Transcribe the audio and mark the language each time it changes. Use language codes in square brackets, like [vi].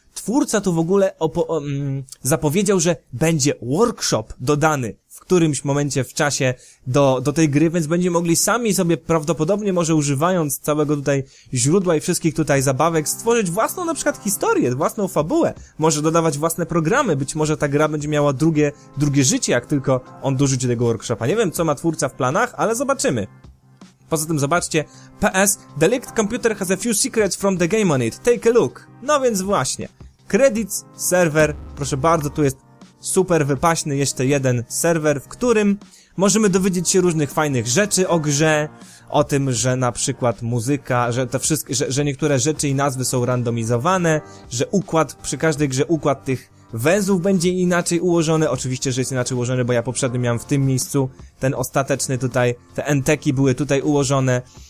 [pl] Twórca tu w ogóle zapowiedział, że będzie workshop dodany w którymś momencie w czasie do tej gry, więc będziemy mogli sami sobie, prawdopodobnie może używając całego tutaj źródła i wszystkich tutaj zabawek, stworzyć własną na przykład historię, własną fabułę, może dodawać własne programy, być może ta gra będzie miała drugie życie, jak tylko on dorzuci tego workshopa. Nie wiem, co ma twórca w planach, ale zobaczymy. Poza tym zobaczcie, [en] PS, the leaked computer has a few secrets from the game on it, take a look. [pl] No więc właśnie, credits, server, proszę bardzo, tu jest super wypaśny jeszcze jeden serwer, w którym możemy dowiedzieć się różnych fajnych rzeczy o grze, o tym, że na przykład muzyka, że te wszystkie, że niektóre rzeczy i nazwy są randomizowane, że układ, przy każdej grze układ tych węzłów będzie inaczej ułożony, oczywiście, że jest inaczej ułożony, bo ja poprzednio miałem w tym miejscu ten ostateczny tutaj, te enteki były tutaj ułożone,